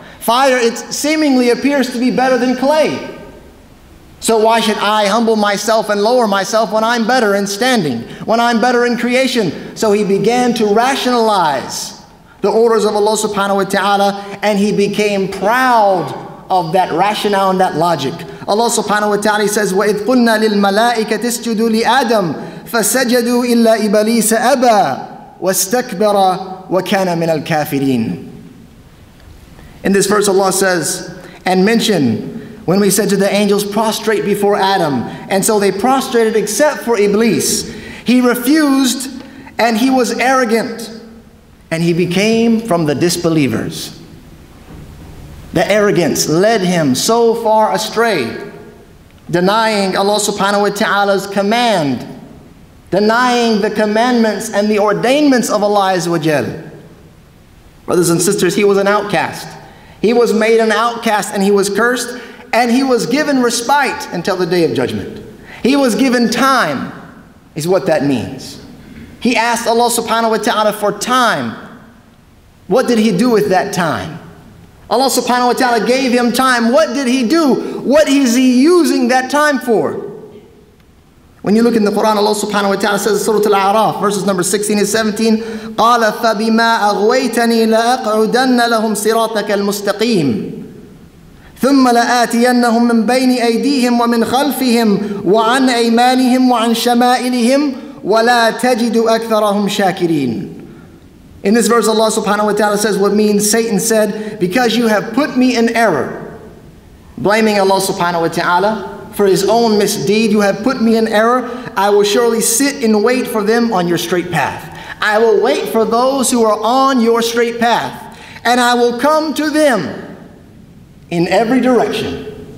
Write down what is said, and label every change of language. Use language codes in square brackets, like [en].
[en] Fire, it seemingly appears to be better than clay. So why should I humble myself and lower myself when I'm better in standing, when I'm better in creation? So he began to rationalize the orders of Allah subhanahu wa ta'ala, and he became proud of that rationale and that logic. [ar] Allah subhanahu wa ta'ala says, وَإِذْ قُلْنَا لِلْمَلَائِكَةِ اسْجُدُوا لِآدَمْ فَسَجَدُوا إِلَّا إِبْلِيسَ أَبَى وَاسْتَكْبَرَ وَكَانَ مِنَ الْكَافِرِينَ. [en] In this verse Allah says, and mention, when we said to the angels, prostrate before Adam. And so they prostrated except for Iblis. He refused and he was arrogant. And he became from the disbelievers. The arrogance led him so far astray, denying Allah subhanahu wa ta'ala's command, denying the commandments and the ordainments of Allah azza [ar] wa jal. [en] Brothers and sisters, he was an outcast. He was made an outcast and he was cursed, and he was given respite until the day of judgment. He was given time, is what that means. He asked Allah subhanahu wa ta'ala for time. What did he do with that time? Allah subhanahu wa ta'ala gave him time. What did he do? What is he using that time for? When you look in the Quran, Allah subhanahu wa ta'ala says in Surah Al-A'raf, verses number 16 and 17, [ar] قَالَ فَبِمَا أَغْوَيْتَنِي لَأَقْعُدَنَّ لَهُمْ صِرَاطَكَ الْمُسْتَقِيمِ ثُمَّ لَآتِيَنَّهُمْ مِنْ بَيْنِ أَيْدِيهِمْ وَمِنْ خَلْفِهِمْ وَعَنْ أَيْمَانِهِمْ وَعَنْ شَمَائِلِهِمْ وَلَا تَجِدُ أَكْثَرَهُمْ شَاكِرِينَ. [en] In this verse, Allah subhanahu wa ta'ala says what means Satan said, because you have put me in error, blaming Allah subhanahu wa ta'ala for his own misdeed, you have put me in error, I will surely sit and wait for them on your straight path. I will wait for those who are on your straight path, and I will come to them in every direction.